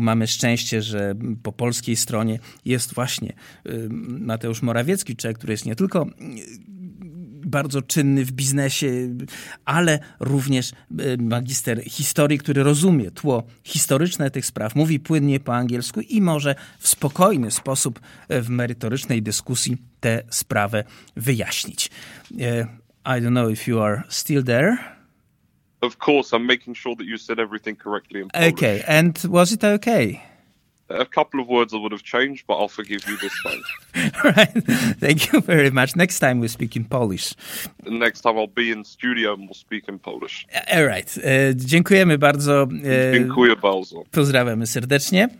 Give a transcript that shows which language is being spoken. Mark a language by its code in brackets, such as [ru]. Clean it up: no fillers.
[pl] Mamy szczęście, że po polskiej stronie jest właśnie Mateusz Morawiecki, człowiek, który jest nie tylko bardzo czynny w biznesie, ale również magister historii, który rozumie tło historyczne tych spraw, mówi płynnie po angielsku i może w spokojny sposób w merytorycznej dyskusji tę sprawę wyjaśnić. [en] I don't know if you are still there. Of course, I'm making sure that you said everything correctly in Polish. Okay, and was it okay? A couple of words I would have changed, but I'll forgive you this time. Right. Thank you very much. Next time we speak in Polish. Next time I'll be in studio and we'll speak in Polish. All right. [pl] Dziękujemy bardzo. Dziękuję bardzo. Pozdrawiamy serdecznie.